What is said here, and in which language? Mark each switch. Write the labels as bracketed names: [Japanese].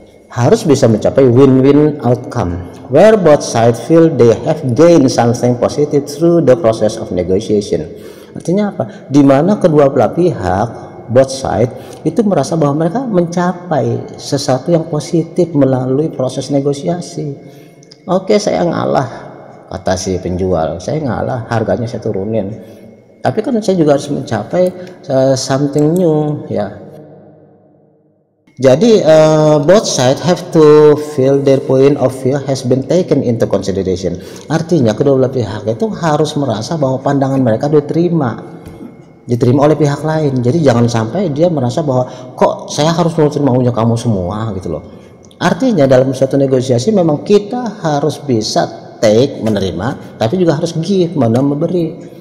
[Indonesian] Harus bisa mencapai [English] win-win outcome where both sides feel they have gained something positive through the process of negotiation. [Indonesian] Artinya apa? Di mana kedua belah pihak, both side, itu merasa bahwa mereka mencapai sesuatu yang positif melalui proses negosiasi. Oke, saya ngalah, kata si penjual. Saya ngalah, harganya saya turunin. Tapi kan saya juga harus mencapai [English] something new, [Indonesian] ya. [English] Jadi, both side have to feel their point of view has been taken into consideration. [Indonesian] Artinya, kedua belah pihak itu harus merasa bahwa pandangan mereka diterima oleh pihak lain. Jadi jangan sampai dia merasa bahwa kok saya harus nurutin maunya kamu semua gitu loh. Artinya dalam suatu negosiasi memang kita harus bisa take, menerima, tapi juga harus give, mana memberi.